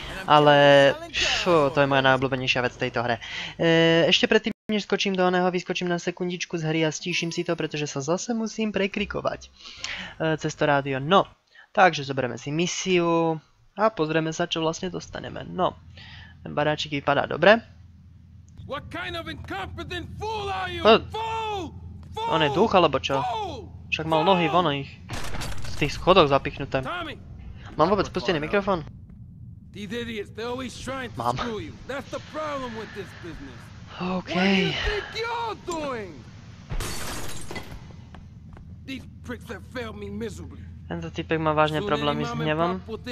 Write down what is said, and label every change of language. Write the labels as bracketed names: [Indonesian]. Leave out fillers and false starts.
[Slovak] Ale to je moja najobľúbenejšia vec v tejto hre. Ešte predtým, než skočím do oného, vyskočím na sekundičku z hry a stíším si to, pretože sa zase musím prekrikovať cez to rádio. No, takže zoberieme si misiu a pozrieme sa, čo vlastne dostaneme. No, ten baráčik vypadá dobre. [English] What kind of incompetent fool are you? Fool! Fool! [Slovak] On je duch alebo čo? Však mal nohy von ich. Z tých schodoch zapichnuté. Tommy! Mám vôbec spustený mikrofón? [English] These idiots, they're always trying to screw you. That's the problem with this business. Okay. What do you think you're doing? These pricks have failed me miserably. [Slovak] Tento typek má vážne problémy s hnevom.